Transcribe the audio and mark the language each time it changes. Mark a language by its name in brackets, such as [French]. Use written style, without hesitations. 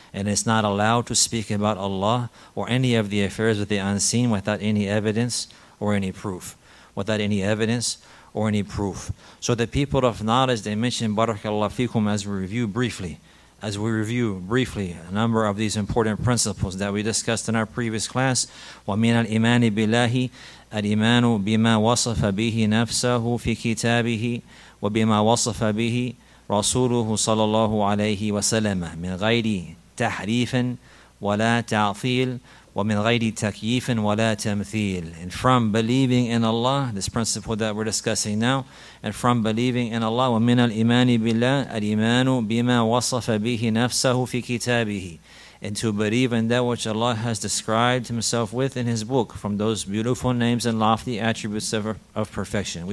[English] And it's not allowed to speak about Allah or any of the affairs of the unseen without any evidence or any proof. Without any evidence or any proof. So the people of knowledge, they mention, barakallahu fikum, as we review briefly a number of these important principles that we discussed in our previous class. [Arabic] ومن الإيمان بالله الإيمان بما وصف به نفسه في كتابه وبما وصف به رسوله صلى الله عليه وسلم من غير تحريف ولا تعطيل ومن غير تكييف ولا تمثيل. [English] And from believing in Allah, this principle that we're discussing now, and from believing in Allah, [Arabic] ومن الإيمان بالله الإيمان بما وصف به نفسه في كتابه, [English] and to believe in that which Allah has described Himself with in His book, from those beautiful names and lofty attributes of perfection.